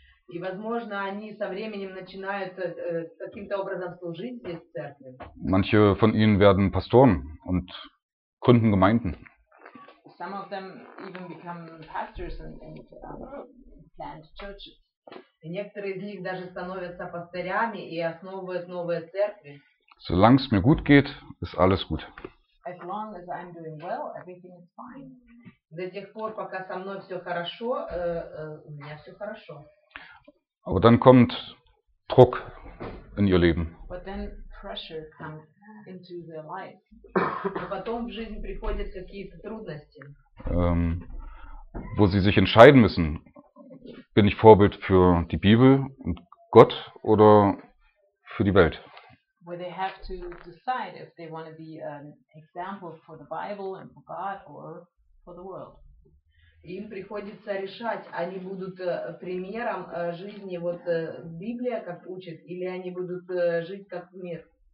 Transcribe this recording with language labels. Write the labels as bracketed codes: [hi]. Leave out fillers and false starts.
[ru] И возможно, они со временем начинают каким-то образом служить здесь в церкви. [de] Manche von ihnen werden Pastoren und gründen Gemeinden. [en] Some of them even become pastors and plant churches. [ru] И некоторые из них даже становятся пастырями и основывают новые церкви. [de] Solange es mir gut geht, ist alles gut. [en] As long as I'm doing well, everything is fine. [ru] До тех пор, пока со мной все хорошо, у меня все хорошо. [de] Aber dann kommt Druck in ihr Leben. [en] But then pressure comes into their life. [ru] Но потом в жизнь приходят какие-то трудности. [de] Wo sie sich entscheiden müssen. Bin ich Vorbild für die Bibel und Gott oder für die Welt? [en] Where they have to decide if they want to be an example for the Bible and for God or for the world. [ru] Им приходится решать, они будут примером жизни вот Библия как учит или они будут жить как мир.